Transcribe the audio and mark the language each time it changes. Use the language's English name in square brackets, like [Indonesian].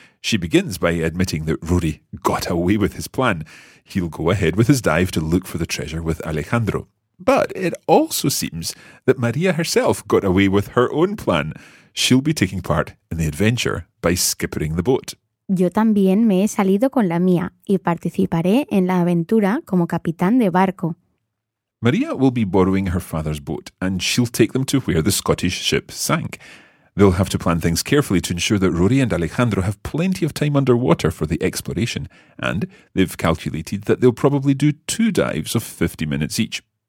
[English] She begins by admitting that Rory got away with his plan. He'll go ahead with his dive to look for the treasure with Alejandro. But it also seems that Maria herself got away with her own plan. She'll be taking part in the adventure by skippering the boat. [Spanish] Yo también me he salido con la mía y participaré en la aventura como capitán de barco. [English] Maria will be borrowing her father's boat and she'll take them to where the Scottish ship sank. They'll have to plan things carefully to ensure that Rory and Alejandro have plenty of time underwater for the exploration, and they've calculated that they'll probably do two dives of 50 minutes each.